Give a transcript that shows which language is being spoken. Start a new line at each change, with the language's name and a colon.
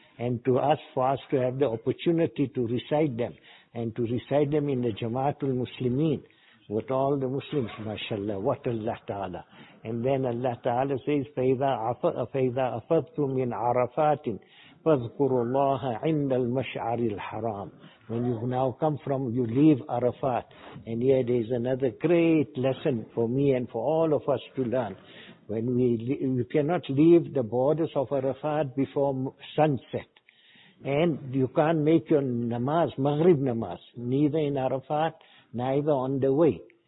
English: And to us, for us to have the opportunity to recite them, and to recite them in the Jamaatul Muslimin, with all the Muslims, mashallah, what Allah Ta'ala. And then Allah Ta'ala says,
Arabic: فَإِذَا أَفَضْتُمْ مِنْ عَرَفَاتٍ فَاذْكُرُوا اللَّهَ عِنْدَ الْمَشْعَرِ الْحَرَامِ.
English: When you now come from, you leave Arafat. And here there is another great lesson for me and for all of us to learn. When we cannot leave the borders of Arafat before sunset. And you can't make your namaz, Maghrib namaz, neither in Arafat, neither on the way.